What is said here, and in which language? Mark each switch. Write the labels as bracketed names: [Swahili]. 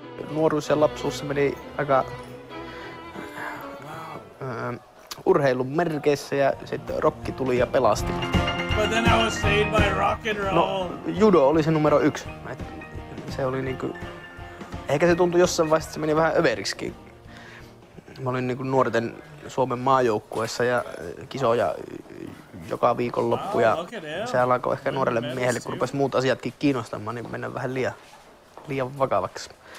[Finnish] Nuoruus ja lapsuus meni aika urheilun merkeissä ja sitten rokki tuli ja pelasti. [English] But then I was saved by rock and roll. [Finnish] No, judo oli se numero yksi. Et se oli niinku, ehkä se tuntui jossain vaiheessa, että se meni vähän överiksi. Mä olin niinku nuorten Suomen maajoukkueessa ja kisoja joka viikonloppu. Ja se alkoi ehkä nuorelle miehelle, kun rupesi muut asiatkin kiinnostamaan, niin mennä vähän liian vakavaksi.